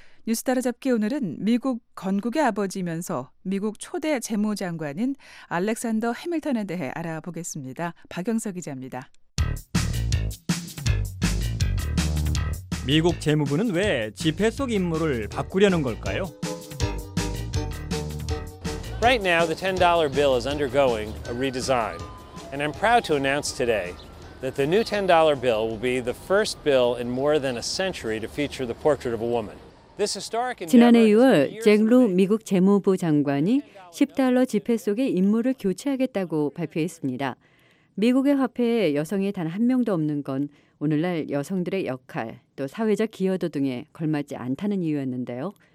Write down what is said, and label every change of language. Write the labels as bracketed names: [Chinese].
[Korean] 뉴스 따라잡기 오늘은 미국 건국의 아버지면서 미국 초대 재무장관인 알렉산더 해밀턴에 대해 알아보겠습니다. 박영석 기자입니다. 미국 재무부는 왜 지폐 속 인물을 바꾸려는 걸까요? [English] Right now the $10 bill is undergoing a redesign. And I'm proud to announce today that the new $10 bill will be the first bill in more than a century to feature the portrait of a woman. [Korean] 지난해 6월 잭루 미국 재무부 장관이 10달러 지폐 속의 인물을 교체하겠다고 발표했습니다. 미국의 화폐에 여성이 단 한 명도 없는 건 오늘날 여성들의 역할 또 사회적 기여도 등에 걸맞지 않다는 이유였는데요.